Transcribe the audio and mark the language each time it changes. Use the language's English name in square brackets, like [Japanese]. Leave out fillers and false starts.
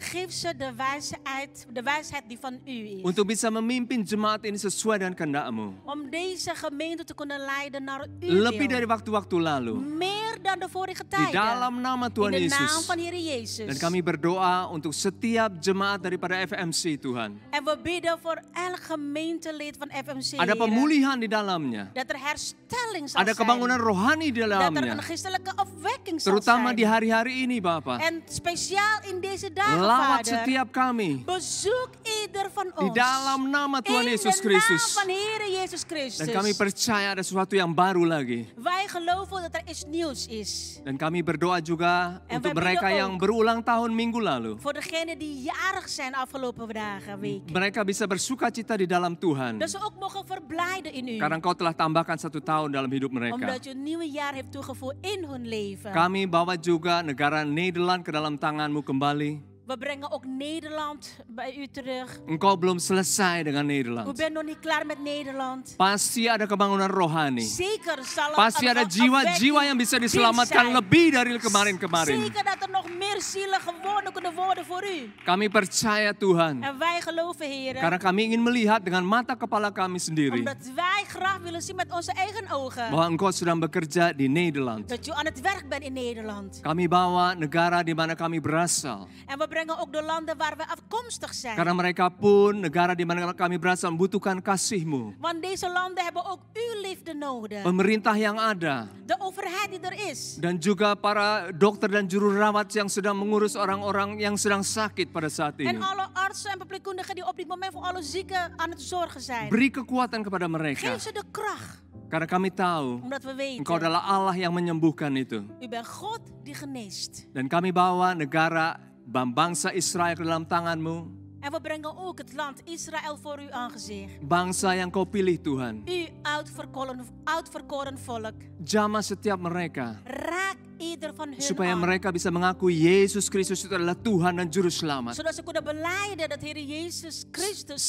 [Dutch] Geef ze de wijsheid die van u is. [Indonesian] Untuk bisa memimpin jemaat ini sesuai dengan kehendak-Mu. [Dutch] Om deze gemeente te kunnen leiden naar uw wil. [Indonesian] Lebih dari waktu-waktu lalu. [Dutch] Meer dan de vorige tijden. [Indonesian] Di dalam nama Tuhan [Dutch] in [Indonesian] Yesus. [Dutch] In de naam van Heer Jezus. [Indonesian] Dan kami berdoa untuk setiap jemaat daripada FMC Tuhan. [Dutch] En we bidden voor elk gemeentelid van FMC. [Indonesian] Ada pemulihan di dalamnya. [Dutch] Dat er herstelling zal zijn. [Indonesian] Ada kebangunan rohani di dalamnya. [Dutch] Dat er een geestelijke opwekking zal zijn. [Indonesian] Terutama di hari-hari ini Bapa. [Dutch] En speciaal in deze dagen, Vader. [Indonesian] Lawat setiap kami. [Dutch] Bezoek ieder van ons. [Indonesian] Di dalam nama Tuhan Yesus Kristus. [Dutch] In de naam van Heer Jezus Christus. [Indonesian] Dan kami percaya ada sesuatu yang baru lagi. [Dutch] Wij geloven dat er iets nieuws is. [Indonesian] Dan kami berdoa juga [Dutch] en [Indonesian] untuk mereka yang berulang tahun minggu lalu. [Dutch] Voor degene die jarig zijn afgelopen dagen, week. [Indonesian] Mereka bisa bersuka cita di dalam Tuhan. [Dutch] Dat ze ook mogen verblijden in u. [Indonesian] Karena Kau telah tambahkan satu tahun dalam hidup mereka. [Dutch] Omdat je een nieuw jaar hebt toegevoegd in hun leven. [Indonesian] Kami bawa juga negara Nederland ke dalam tangan-Mu kembali. [Dutch] We brengen ook Nederland bij u terug. [Indonesian] Engkau belum selesai dengan Nederland. [Dutch] U bent nog niet klaar met Nederland. [Indonesian] Pasti ada kebangunan rohani. [Dutch] Zeker zal [Indonesian] pasti ada jiwa-jiwa yang bisa diselamatkan lebih dari kemarin-kemarin. [Dutch] Zeker dat er nog meer zielen gewonnen kunnen worden voor u. [Indonesian] Kami percaya Tuhan. [Dutch] En wij geloven Heren. [Indonesian] Karena kami ingin melihat dengan mata kepala kami sendiri. [Dutch] Omdat wij graag willen zien met onze eigen ogen. [Indonesian] Bahwa engkau sedang bekerja di Nederland. [Dutch] Dat u aan het werk bent in Nederland. [Indonesian] Kami bawa negara di mana kami berasal. [Dutch] En we brengen ook de landen waar we afkomstig zijn. [Indonesian] Karena mereka pun negara di mana kami berasal membutuhkan kasih-Mu. [Dutch] Want deze landen hebben ook uw liefde nodig. [Indonesian] Pemerintah yang ada. [Dutch] De overheid die er is. [Indonesian] Dan juga para dokter dan juru rawat yang sedang mengurus orang-orang yang sedang sakit pada saat ini. [Dutch] En alle artsen en verpleegkundigen die op dit moment voor alle zieken aan het zorgen zijn. [Indonesian] Beri kekuatan kepada mereka. [Dutch] Geef ze de kracht. [Indonesian] Karena kami tahu, Engkau adalah Allah yang menyembuhkan itu. [Dutch] U bent God die geneest. [Indonesian] Dan kami bawa negara bangsa Israel ke dalam tangan-Mu. [Dutch] En we brengen ook het land Israël voor uw aangezicht. [Indonesian] Bangsa yang kau pilih Tuhan. [Dutch] U uitverkoren volk. [Indonesian] Jamah setiap mereka. [Dutch] Raak ieder van hun. [Indonesian] Supaya mereka bisa mengakui Yesus Kristus itu adalah Tuhan dan Juru Selamat. [Dutch] Zodat ze kunnen belijden dat Heer Jezus Christus is.